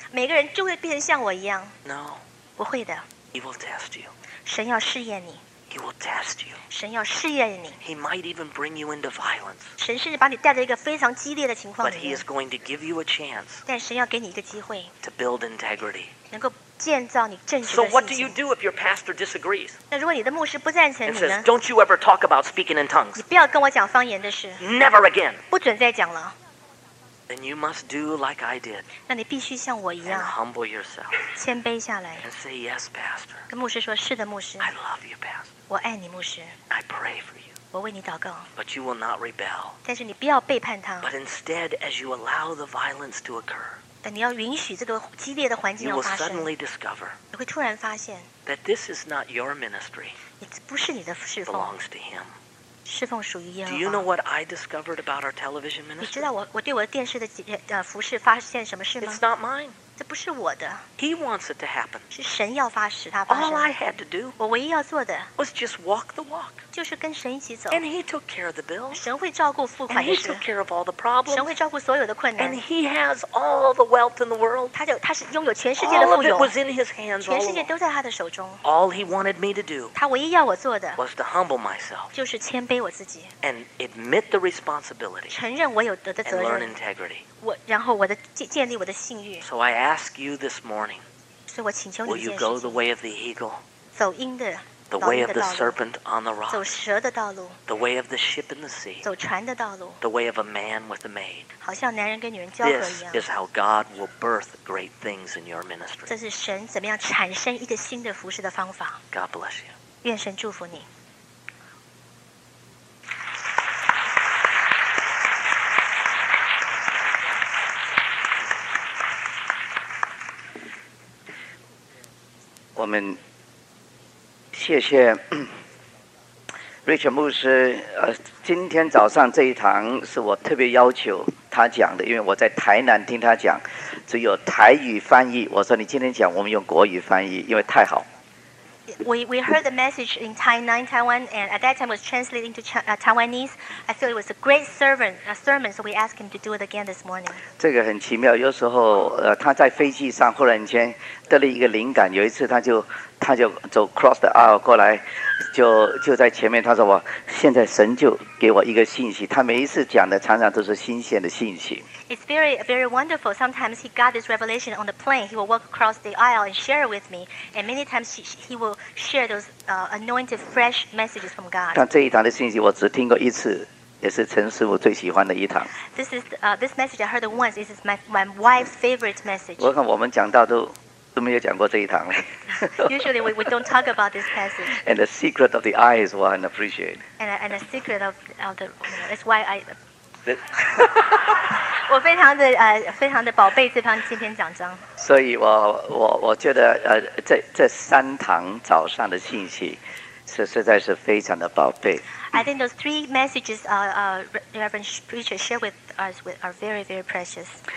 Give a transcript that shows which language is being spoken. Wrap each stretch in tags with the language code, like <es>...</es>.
<zh>每个人就会变成像我一样</zh> <en>No.</en> <zh>不会的</zh> <en>He will test you.</en> <zh>神要试验你。</zh> <en>He will test you.</en> <zh>神要试验你。</zh> <en>He might even bring you into violence.</en> <zh>神甚至把你带到一个非常激烈的情况里面。</zh> <en>But he is going to give you a chance.</en> <zh>但神要给你一个机会。</zh> <en>To build integrity.</en> <zh>能够建造你正直的信心。</zh> <en>So what do you do if your pastor disagrees?</en> <zh>那如果你的牧师不赞成你呢</zh> <en>？And says, "Don't you ever talk about speaking in tongues."</en> <zh>你不要跟我讲方言的事。</zh> <en>Never again.</en> <zh>不准再讲了。</zh> <en>Then you must do like I did.</en> <zh>那你必须像我一样。</zh> <en>And humble yourself.</en> <zh>谦卑下来。</zh> <en>And say yes, Pastor.</en> <zh>跟牧师说是的，牧师。</zh> <en>I love you, Pastor.</en> <zh>我爱你，牧师。</zh> <en>I pray for you.</en> <zh>我为你祷告。</zh> <en>But you will not rebel.</en> <zh>但是你不要背叛他。</zh> <en>But instead, as you allow the violence to occur.</en> <zh>但你要允许这个激烈的环境要发生。</zh> <en>You will suddenly discover.</en> <zh>你会突然发现。</zh> <en>That this is not your ministry.</en> <zh>你不是你的侍奉。</zh> <en>Belongs to Him.</en> <zh>侍奉属于耶和华。</zh> <en>Do you know what I discovered about our television ministry?</en> <zh>你知道我对我电视的服事发现什么事吗</zh> <en>？It's not mine.</en> <zh>这不是我的。</zh> <en>He wants it to happen.</en> <zh>是神要发使它发生。</zh> <en>All I had to do.</en> <zh>我唯一要做的。</zh> <en>Was just walk the walk.</en> <zh>就是跟神一起走。</zh> <en>And he took care of the bills.</en> <zh>神会照顾付款的事。</zh> <en>And he took care of all the problems.</en> <zh>神会照顾所有的困难。</zh> <en>And he has all the wealth in the world.</en> <zh>他是拥有全世界的富有。</zh> <en>All of it was in his hands.</en> <zh>全世界都在他的手中。</zh> <en>All he wanted me to do.</en> <zh>他唯一要我做的。</zh> <en>Was to humble myself.</en> <zh>就是谦卑我自己。</zh> <en>And admit the responsibility.</en> <zh>承认我有得的责任。</zh> <en>And learn integrity.</en> <zh>然后我的建立我的信誉。</zh> <en>So I ask you this morning.</en> <zh>所以我请求你。</zh> <en>Will you go the way of the eagle?</en> <zh>走鹰的。</zh> <en>The way of the serpent on the rock.</en> <zh>走蛇的道路。</zh> <en>The way of the ship in the sea.</en> <zh>走船的道路。</zh> <en>The way of a man with a maid.</en> <zh>好像男人跟女人交合一样。</zh> <en>This is how God will birth great things in your ministry.</en> <zh>这是神怎么样产生一个新的服事的方法。</zh> <en>God bless you.</en> <zh>愿神祝福你。我们谢谢Richard 牧师，今天早上这一堂是我特别要求他讲的，因为我在台南听他讲，只有台语翻译。我说你今天讲，我们用国语翻译，因为太好。</zh> <en>We heard the message in Tainan, Taiwan, and at that time was translated into Taiwanese. I feel it was a great sermon, so we asked him to do it again this morning.</en> <zh>这个很奇妙，有时候他在飞机上忽然间得了一个灵感。有一次他就走</zh> <en>cross the aisle</en> <zh>过来，就在前面，他说我现在神就给我一个信息。他每一次讲的常常都是新鲜的信息。</zh> <en>It's very, very wonderful. Sometimes he got this revelation on the plane. He will walk across the aisle and share it with me. And many times he will share those anointed fresh messages from God.</en> <zh>但这一堂的信息我只听过一次，也是陈师傅最喜欢的一堂。</zh> <en>This is this message I heard once. This is my wife's favorite message.</en> <zh>我看我们讲到都没有讲过这一堂了。</zh> <en>Usually we don't talk about this passage. And the secret of the eyes, what I appreciate. And the secret of the, that's why I.</en> <zh>我非常的非常的宝贝这堂今天讲章。所以我觉得这三堂早上的信息是实在是非常的宝贝。</zh> <en>I think those three messages Reverend Preacher shared with us are very very precious.</en>